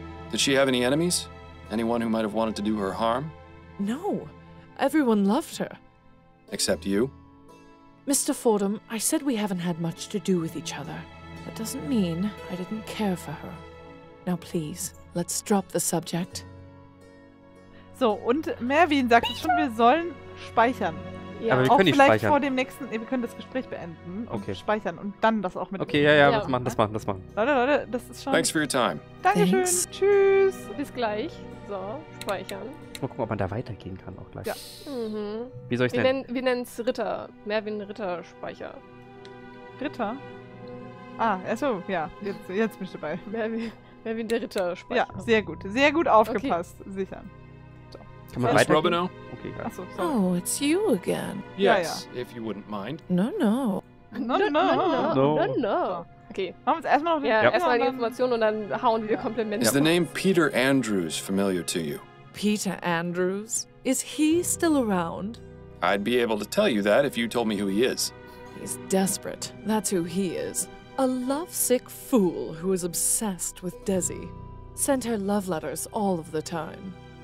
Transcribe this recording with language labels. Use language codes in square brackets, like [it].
[en] Did she have any enemies? Anyone who might have wanted to do her harm? No. Everyone loved her. Except you? Mr. Fordham, I said we haven't had much to do with each other. That doesn't mean I didn't care for her. Now please, let's drop the subject. [de] So, und Mervyn sagt schon, wir sollen speichern. Ja. Aber wir auch können nicht vielleicht speichern. Vor dem nächsten, wir können das Gespräch beenden und speichern und dann das auch mit. Okay, das machen. Leute, das ist schon. [en] Thanks for your time. [de] Dankeschön. Tschüss. Bis gleich. So, speichern. erstmal gucken, ob man da weitergehen kann auch gleich. Ja. Mhm. Wie soll ich Wir nennen es Ritter. Merwin Ritterspeicher. Ritter? Ah, achso, ja. Jetzt bin ich dabei. Merwin der Ritterspeicher. Ja, sehr gut. Sehr gut aufgepasst. Okay. Sicher. Kann man weitergehen? Robin, okay, ja. [en] Achso, sorry. Oh, it's you again. Yes, ja, ja. If you wouldn't mind. No. Okay. [de] Machen wir uns erstmal noch erstmal die Informationen und dann hauen wir Komplimente. [en] Is the name Peter Andrews familiar to you? Peter Andrews? Is he still around? I'd be able to tell you that if you told me who he is. He's desperate. That's who he is. A lovesick fool who is obsessed with Desi. Sent her love letters all of the time.